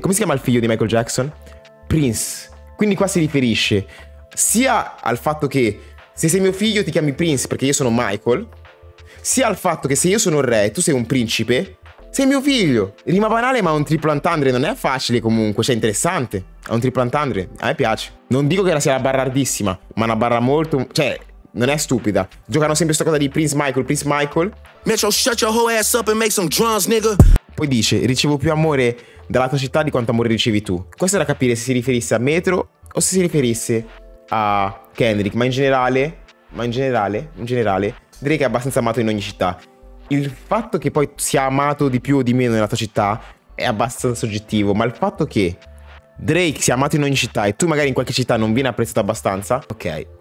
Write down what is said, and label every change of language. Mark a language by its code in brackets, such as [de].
[it] Come si chiama il figlio di Michael Jackson? Prince. Quindi qua si riferisce sia al fatto che se sei mio figlio ti chiami Prince perché io sono Michael, sia al fatto che se io sono il re e tu sei un principe, sei mio figlio. Rima banale, ma un triplo entendre non è facile comunque, cioè interessante. È un triplo entendre, a me piace. Non dico che la sia una barra ardissima, ma una barra molto... cioè, non è stupida. Giocano sempre sta cosa di Prince Michael, Prince Michael. [en] Metro, shut your whole ass up and make some drums, nigga. [it] Poi dice, ricevo più amore dalla tua città di quanto amore ricevi tu. Questo è da capire se si riferisse a Metro o se si riferisse a Kendrick. Ma in generale, Drake è abbastanza amato in ogni città. Il fatto che poi sia amato di più o di meno nella tua città è abbastanza soggettivo, ma il fatto che Drake sia amato in ogni città e tu magari in qualche città non viene apprezzato abbastanza, ok.